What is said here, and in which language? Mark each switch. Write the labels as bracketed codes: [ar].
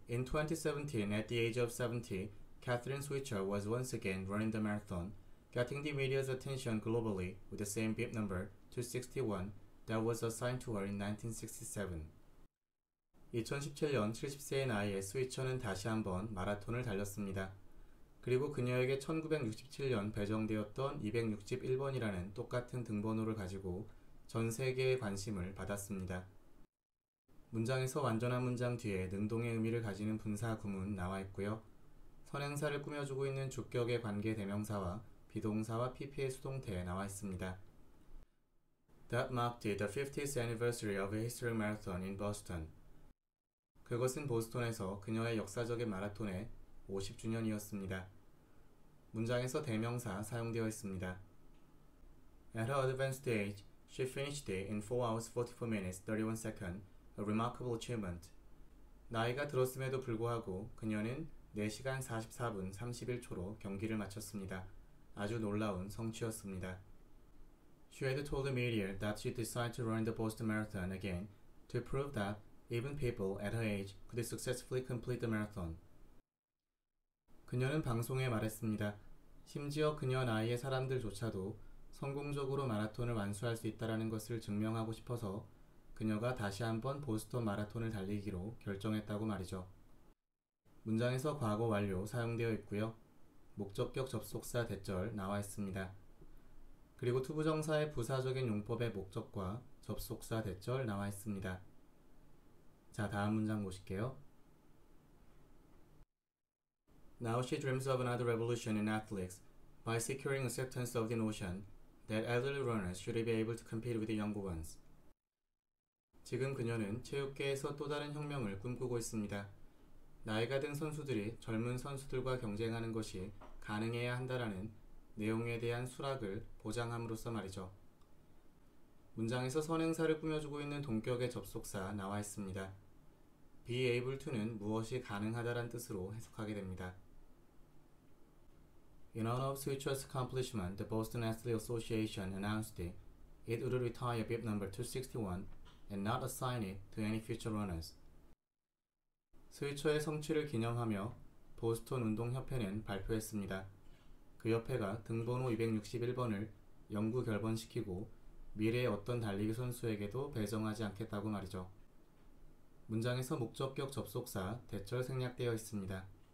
[en] In 2017, at the age of 70, Catherine Switcher was once again running the marathon, getting the media's attention globally with the same bib number, 261, that was assigned to her in 1967. [ko] 2017년 70세의 나이에 스위처는 다시 한번 마라톤을 달렸습니다. 그리고 그녀에게 1967년 배정되었던 261번이라는 똑같은 등번호를 가지고 전 세계의 관심을 받았습니다. 문장에서 완전한 문장 뒤에 능동의 의미를 가지는 분사 구문 나와 있고요. 선행사를 꾸며주고 있는 주격의 관계 대명사와 비동사와 PP의 수동태에 나와 있습니다. [en] That marked the 50th anniversary of a historic marathon in Boston. [ko] 그것은 보스턴에서 그녀의 역사적인 마라톤의 50주년이었습니다. 문장에서 대명사 사용되어 있습니다. [en] At her advanced age, she finished it in 4 hours 44 minutes 31 seconds, a remarkable achievement. [ko] 나이가 들었음에도 불구하고 그녀는 4시간 44분 31초로 경기를 마쳤습니다. 아주 놀라운 성취였습니다. [en] She had told the media that she decided to run the Boston Marathon again to prove that even people at her age could successfully complete the marathon. [ko] 그녀는 방송에 말했습니다. 심지어 그녀 나이의 사람들조차도 성공적으로 마라톤을 완수할 수 있다는 것을 증명하고 싶어서 그녀가 다시 한번 보스턴 마라톤을 달리기로 결정했다고 말이죠. 문장에서 과거 완료 사용되어 있고요. 목적격 접속사 대절 나와 있습니다. 그리고 투부정사의 부사적인 용법의 목적과 접속사 대절 나와 있습니다. 자, 다음 문장 보실게요. [en] Now she dreams of another revolution in athletics by securing acceptance of the notion that elderly runners should be able to compete with the younger ones. [ko] 지금 그녀는 체육계에서 또 다른 혁명을 꿈꾸고 있습니다. 나이가 든 선수들이 젊은 선수들과 경쟁하는 것이 가능해야 한다라는 내용에 대한 수락을 보장함으로써 말이죠. 문장에서 선행사를 꾸며주고 있는 동격의 접속사 나와 있습니다. [en] Be able to [ko] 는 무엇이 가능하다란 뜻으로 해석하게 됩니다. [en] In honor of Suchet's accomplishment, the Boston Athletic Association announced it would retire bib number 261 and not assign it to any future runners. [ko] 스위처의 성취를 기념하며 보스턴 운동협회는 발표했습니다. 그 협회가 등번호 261번을 영구 결번시키고 미래의 어떤 달리기 선수에게도 배정하지 않겠다고 말이죠. 문장에서 목적격 접속사 대절 생략되어 있습니다.